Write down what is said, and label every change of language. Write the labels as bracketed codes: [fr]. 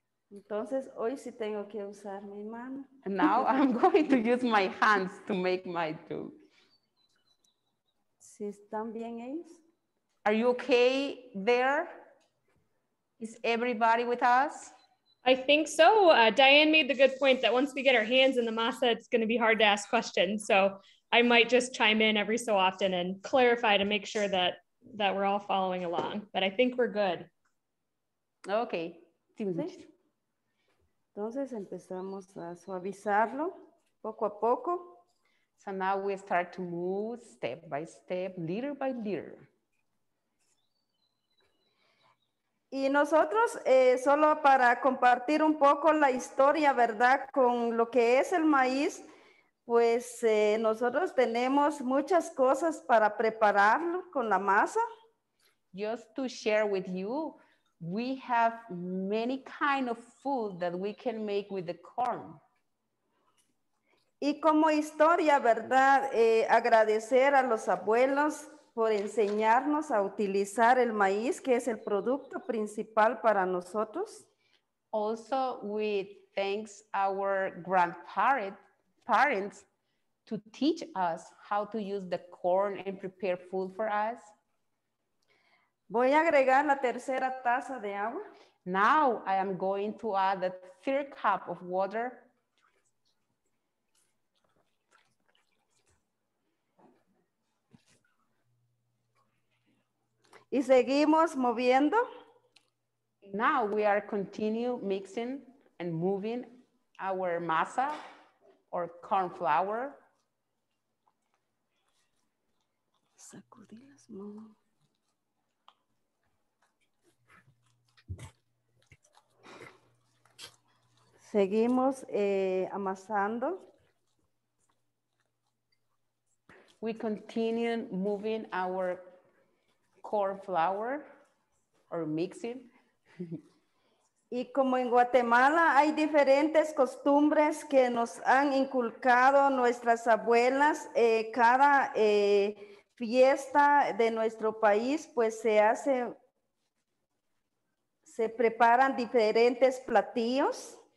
[es] Entonces hoy sí tengo que usar mi mano. [en] And now I'm going to use my hands to make my dough. [es] ¿Sí están bien ellos? [en] Are you okay there? Is everybody with us? I think so. Diane made the good point that once we get our hands in the masa, it's going to be hard to ask questions. So I might just chime in every so often and clarify to make sure that we're all following along. But I think we're good. Okay. [es] Entonces empezamos a suavizarlo poco a poco. [en] So now we start to move step by step, little by little. [es] Y nosotros, solo para compartir un poco la historia, ¿verdad?, con lo que es el maíz, pues nosotros tenemos muchas cosas para prepararlo con la masa. [en] Just to share with you, we have many kinds of food that we can make with the corn. [es] Y como historia, ¿verdad?, agradecer a los abuelos por enseñarnos a utilizar el maíz, que es el producto principal para nosotros. [en] Also, we thanks our grandparents to teach us how to use the corn and prepare food for us. [es] Voy a agregar la tercera taza de agua. [en] Now, I am going to add the third cup of water. [es] Y seguimos moviendo. [en] Now we are continue mixing and moving our masa or corn flour. [es] Sacudimos. Mm-hmm. Seguimos amasando. [en] We continue moving our corn flour or mixing. [es] Y como en Guatemala hay diferentes costumbres que nos han inculcado nuestras abuelas, cada fiesta de nuestro país pues se preparan diferentes platillos.